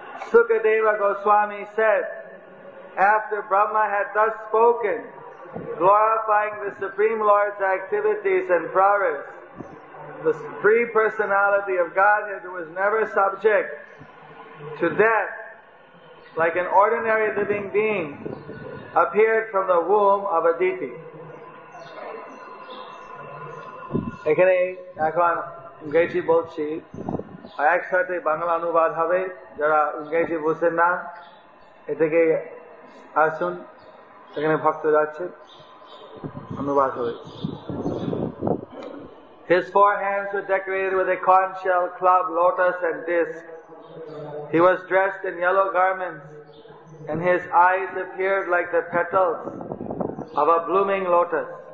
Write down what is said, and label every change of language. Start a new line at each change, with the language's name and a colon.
English: Sukadeva Goswami said, after Brahma had thus spoken, glorifying the Supreme Lord's activities and prowess, the Three Personality of Godhead, who was never subject to death, like an ordinary living being, appeared from the womb of Aditi.
Bangla: এখানে এখন ইংরেজি বলছি, একসাথে বাংলা অনুবাদ হবে, যারা ইংরেজি বুঝছেন না এ থেকে আসুন, এখানে ভক্ত যাচ্ছে অনুবাদ হবে।
English: His four hands were decorated with a conch shell, club, lotus and disc. He was dressed in yellow garments and his eyes appeared like the petals of a blooming lotus.